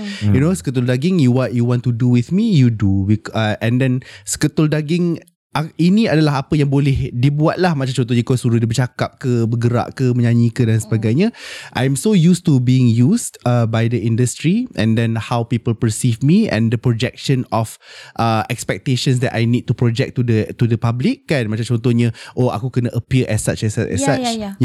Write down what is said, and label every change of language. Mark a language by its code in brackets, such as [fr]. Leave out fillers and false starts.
[en] You know, [ms] seketul daging, [en] you what you want to do with me, you do. And then, [ms] seketul daging, ini adalah apa yang boleh dibuat lah. Macam contohnya kau suruh dia bercakap ke, bergerak ke, menyanyi ke dan sebagainya. [en] I'm so used to being used by the industry, and then how people perceive me and the projection of expectations that I need to project to the public kan. [ms] Macam contohnya, oh aku kena [en] appear as such, as such, as such.